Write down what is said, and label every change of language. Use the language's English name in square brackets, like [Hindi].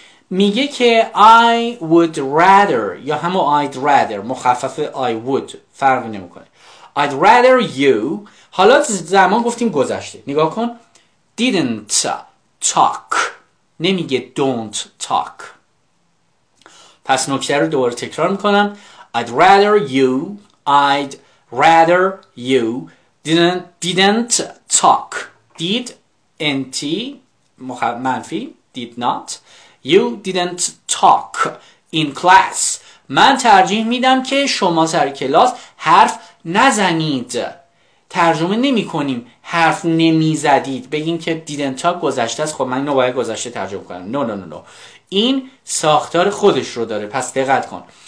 [Persian] میگه که [English] I would rather [Persian] یا همه I'd rather مخفف I would فرق نمیکنه. [English] I'd rather you [Persian] حالا زمان گفتیم گذشته. نگاه کن [English] didn't talk [Persian] نمیگه [English] don't talk. [Persian] پس نکته رو دوباره تکرار میکنم. [English] I'd rather you didn't talk did nt [Persian] منفی [English] did not you didn't talk in class. [Persian] من ترجیح میدم که شما سر کلاس حرف نزنید. ترجمه نمی کنیم حرف نمی زدید. بگیم که [English] didn't talk [Persian] گذشته است. خب من اینو باید گذشته ترجمه کنم. [English] No. [Persian] این ساختار خودش رو داره. پس دقت کن.